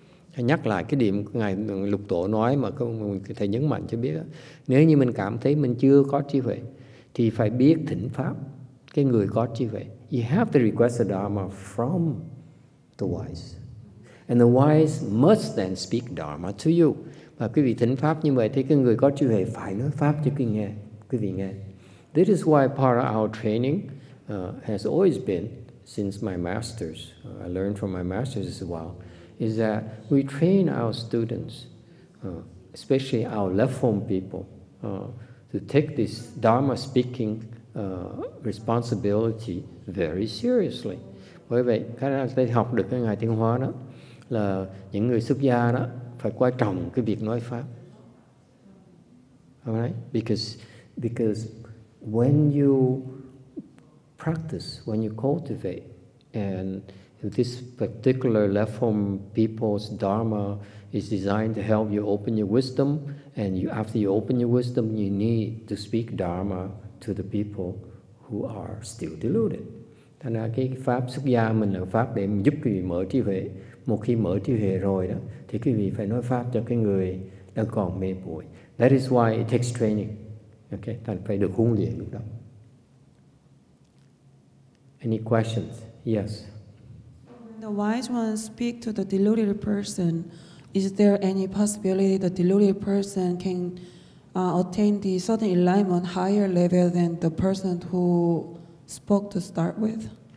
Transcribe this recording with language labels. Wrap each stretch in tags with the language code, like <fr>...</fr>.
<vi>Hãy nhắc lại cái điểm Ngài Lục Tổ nói mà Thầy nhấn mạnh cho biết. Nếu như mình cảm thấy mình chưa có trí huệ, thì phải biết thỉnh pháp cái người có trí huệ.</vi> <en>You have to request the Dharma from the wise. And the wise must then speak Dharma to you.</en> <vi>Và quý vị thỉnh pháp như vậy thì cái người có trí huệ phải nói pháp cho quý vị nghe.</vi> <en>This is why part of our training has always been, since my masters, I learned from my masters as well, is that we train our students, especially our left-form people, to take this Dharma speaking responsibility very seriously.</en> <vi>Bởi vậy, các anh sẽ học được cái ngày tiếng Hoa đó, là những người xuất gia đó phải quan trọng cái việc nói pháp.</vi> <en>All right? Because when you practice, when you cultivate, and this particular left form people's Dharma is designed to help you open your wisdom, and you, after you open your wisdom, you need to speak Dharma to the people who are still deluded.</en> <vi>Thành ra cái pháp xuất gia mình là pháp để giúp quý vị mở trí huệ. Một khi mở trí huệ rồi đó, thì quý vị phải nói pháp cho cái người đang còn mê muội.</vi> <en>That is why it takes training. Okay,</en> <vi>thành phải được huấn luyện lúc đó.</vi> <en>Any questions? Yes. When the wise ones speak to the deluded person, is there any possibility the deluded person can attain the certain enlightenment higher level than the person who spoke to start with?</en>